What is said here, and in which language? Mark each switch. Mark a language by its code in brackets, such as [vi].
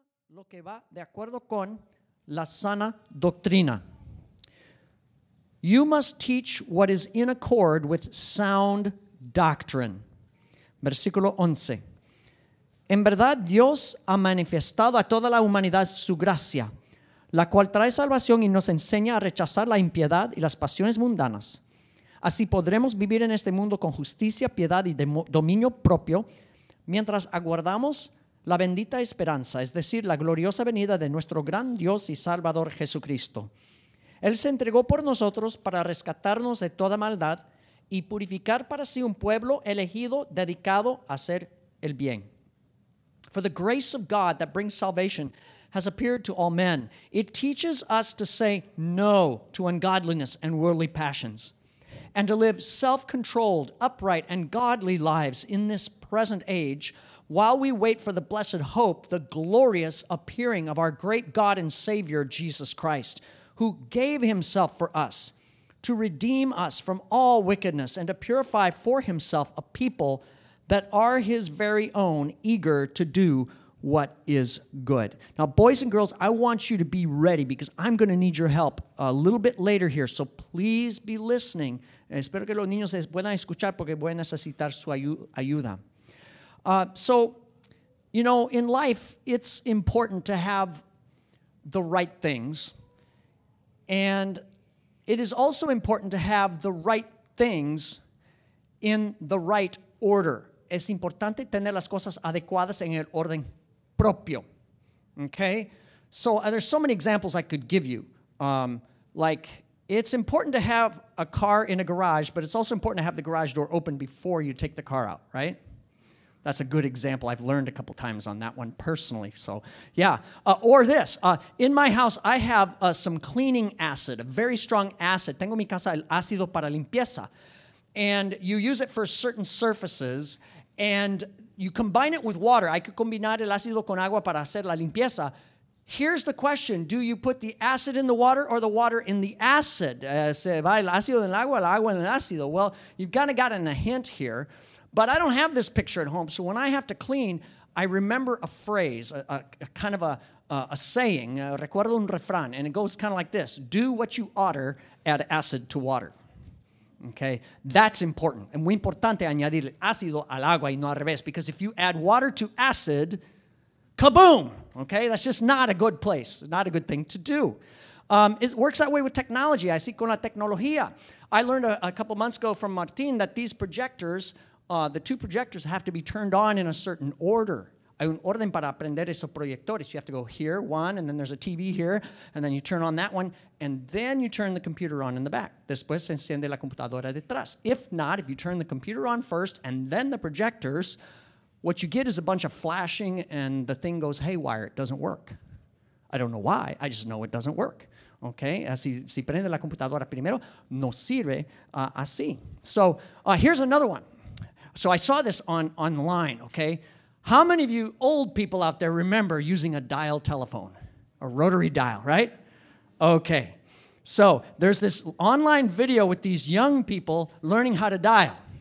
[es] lo que va de acuerdo con la sana doctrina. [en] You must teach what is in accord with sound doctrine. [es] Versículo 11. En verdad, Dios ha manifestado a toda la humanidad su gracia, la cual trae salvación y nos enseña a rechazar la impiedad y las pasiones mundanas. Así podremos vivir en este mundo con justicia, piedad y dominio propio mientras aguardamos la bendita esperanza, es decir, la gloriosa venida de nuestro gran Dios y Salvador Jesucristo. Él se entregó por nosotros para rescatarnos de toda maldad y purificar para sí un pueblo elegido dedicado a hacer el bien. [en] For the grace of God that brings salvation has appeared to all men. It teaches us to say no to ungodliness and worldly passions, and to live self-controlled, upright, and godly lives in this present age while we wait for the blessed hope, the glorious appearing of our great God and Savior, Jesus Christ, who gave himself for us to redeem us from all wickedness and to purify for himself a people that are his very own, eager to do what is good. Now, boys and girls, I want you to be ready because I'm going to need your help a little bit later here. So please be listening. [es] Espero que los niños puedan escuchar porque voy a necesitar su ayuda. [en] So, you know, in life, it's important to have the right things. And it is also important to have the right things in the right order. [es] Es importante tener las cosas adecuadas en el orden propio. [en] Okay? So there's so many examples I could give you. Like, it's important to have a car in a garage, but it's also important to have the garage door open before you take the car out, right? That's a good example. I've learned a couple times on that one personally. So, yeah. In my house, I have some cleaning acid, a very strong acid. [es] Tengo mi casa el ácido para limpieza. [en] And you use it for certain surfaces, and you combine it with water. [es] Hay que combinar el ácido con agua para hacer la limpieza. [en] Here's the question. Do you put the acid in the water or the water in the acid? [es] Se va el ácido en el agua en el ácido. [en] Well, you've kind of gotten a hint here. But I don't have this picture at home, so when I have to clean, I remember a phrase, a kind of a saying, [es] recuerdo un refrán, [en] and it goes kind of like this: do what you order, add acid to water. Okay, that's important. [es] Es muy importante añadir ácido al agua y no al revés, [en] because if you add water to acid, kaboom! Okay, that's just not a good place, not a good thing to do. It works that way with technology. I see [es] con la tecnología. [en] I learned a couple months ago from Martin that these projectors, the two projectors have to be turned on in a certain order. [es] Hay un orden para aprender esos proyectores. [en] You have to go here, one, and then there's a TV here, and then you turn on that one, and then you turn the computer on in the back. [es] Después se enciende la computadora detrás. [en] If not, if you turn the computer on first and then the projectors, what you get is a bunch of flashing and the thing goes haywire. It doesn't work. I don't know why. I just know it doesn't work. Okay? [es] Si prende la computadora primero, no sirve así. [en] So here's another one. So I saw this online, okay? How many of you old people out there remember using a dial telephone? A rotary dial, right? Okay. So there's this online video with these young people learning how to dial.